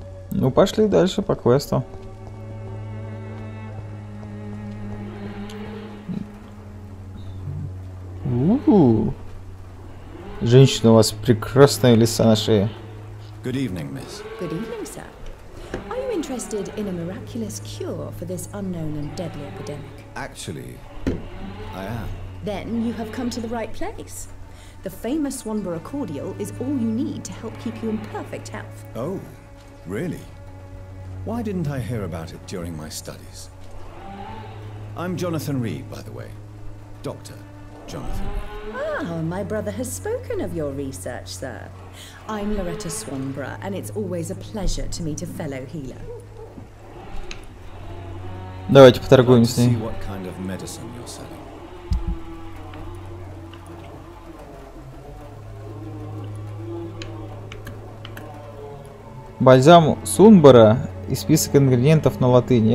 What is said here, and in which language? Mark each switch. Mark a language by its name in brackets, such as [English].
[Russian] Ну, пошли дальше по квесту. Женщина, у вас прекрасные леса на шее. [English] Good evening, miss. Good evening, sir. Are you interested in a miraculous cure for this unknown and deadly epidemic? Actually, I am. Then you have come to the right place. The famous Swanborough cordial is all you need to help keep you in perfect health. Oh, really? Why didn't I hear about it during my studies? I'm Jonathan Reed, by the way. Doctor Jonathan. Ah, my brother has spoken of your research, sir. I'm Loretta Swanborough, and it's always a pleasure to meet a fellow healer. [Russian] Давайте поторгуем с ней. [English] See what kind of medicine you're selling. [Russian] Бальзам Сунбора и список ингредиентов на латыни.